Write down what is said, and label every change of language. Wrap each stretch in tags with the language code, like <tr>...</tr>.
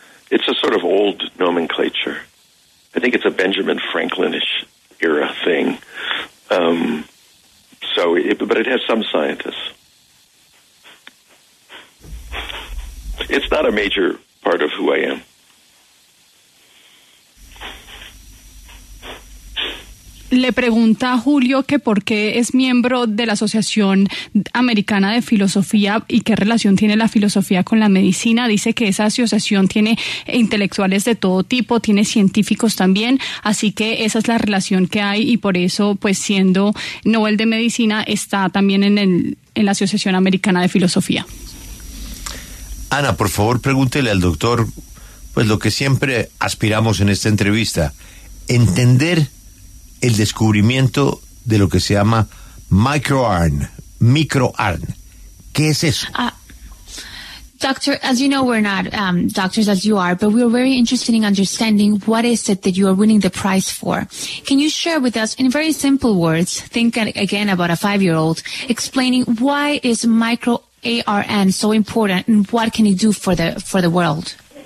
<en>It's a sort of old nomenclature. I think it's a Benjamin Franklin-ish era thing. But it has some scientists. It's not a major part of who I am.</en> <es>Le pregunta Julio que por qué es miembro de la Asociación Americana de Filosofía y qué relación tiene la filosofía con la medicina. Dice que esa asociación tiene intelectuales de todo tipo, tiene científicos también, así que esa es la relación que hay y por eso, pues siendo Nobel de Medicina, está también en la Asociación Americana de Filosofía. Ana, por favor, pregúntele al doctor, pues lo que siempre aspiramos en esta entrevista, entender el descubrimiento de lo que se llama microRN. ¿Qué es eso?</es> <en>Doctor, as you know, we're not doctors as you are, but we're very interested in understanding what is it that you are winning the prize for. Can you share with us, in very simple words, think again about a 5-year-old, explaining why is microRN ARN so important and what can it do for the world?</en>